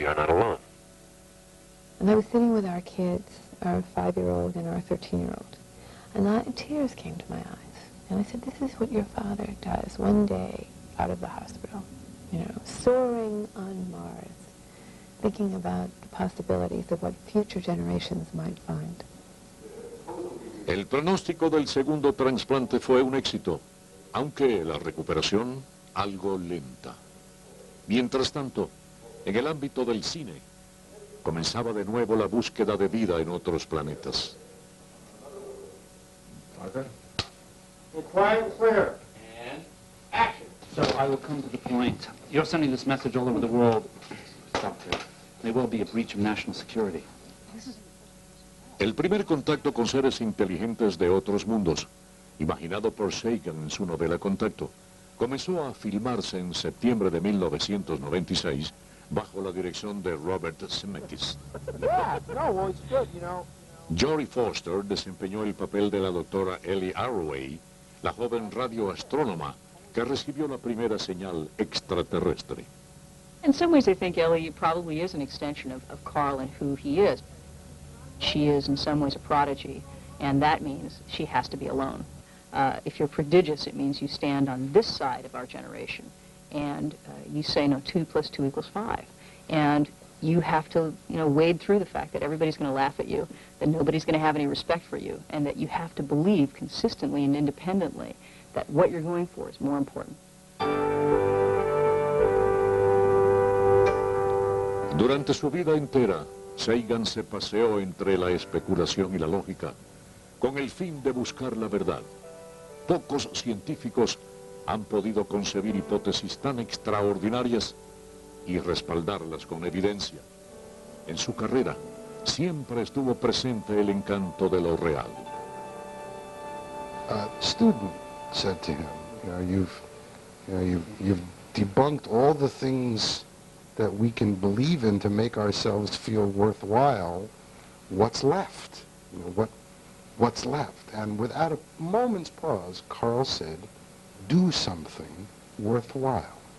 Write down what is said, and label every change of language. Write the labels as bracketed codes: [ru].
[en] sitting with our kids, our five-year-old and our 13-year-old, and tears came to my eyes. And I said, this is what your father does one day out of the hospital, you know, soaring on Mars, thinking about the possibilities of what future generations might find. [es] El pronóstico del segundo trasplante fue un éxito, aunque la recuperación algo lenta. Mientras tanto, en el ámbito del cine, comenzaba de nuevo la búsqueda de vida en otros planetas. [en] Parker? Quiet, clear. And action. So I will come to the point. You're sending this message all over the world, Doctor. There will be a breach of national security. [es] El primer contacto con seres inteligentes de otros mundos, imaginado por Sagan en su novela Contacto, comenzó a filmarse en septiembre de 1996 bajo la dirección de Robert Zemeckis. Jodie Foster desempeñó el papel de la doctora Ellie Arroway, la joven radioastrónoma que recibió la primera señal extraterrestre. [en] In some ways, I think Ellie probably is an extension of Carl and who he is. She is, in some ways, a prodigy, and that means she has to be alone. If you're prodigious, it means you stand on this side of our generation, and you say, no, 2 + 2 = 5. And you have to, you know, wade through the fact that everybody's going to laugh at you, that nobody's going to have any respect for you, and that you have to believe consistently and independently that what you're going for is more important. [es] Durante su vida entera, Sagan se paseó entre la especulación y la lógica, con el fin de buscar la verdad. Pocos científicos han podido concebir hipótesis tan extraordinarias y respaldarlas con evidencia. En su carrera, siempre estuvo presente el encanto de lo real. [en] A student said to him, you've debunked all the things that we can believe in to make ourselves feel worthwhile. What's left? What's left? And without a moment's pause, Carl said, do something worthwhile.